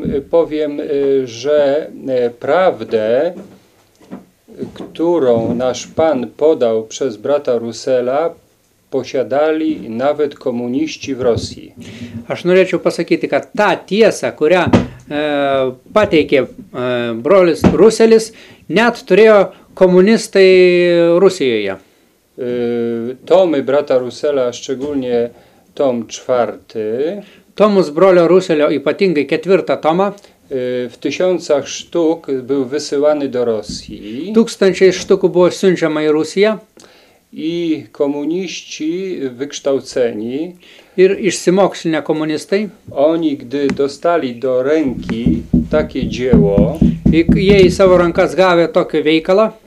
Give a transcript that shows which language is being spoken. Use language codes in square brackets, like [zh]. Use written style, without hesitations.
[pl] powiem, że prawdę, którą nasz Pan podał przez brata Russella, posiadali nawet komuniści w Rosji. [lt] Aż norėčiau pasakyti, kad ta tiesa, kurią pateikė brolis Russellis, net turėjo komunistai Rusijoje. [pl] Tomy brata Russella, szczególnie tom czwarty. [lt] Tomus brolio Russellio, ypatingai ketvirta toma. [pl] W tysiącach sztuk był wysyłany do Rosji. [lt] Tūkstančiai sztukų buvo siunčiama į Rusiją. [pl] I komuniści wykształceni. [lt] Ir išsimokslinę komunistai. [pl] Oni, gdy dostali do ręki takie dzieło, [lt] i jej savo rankas gavę tokį veikalą,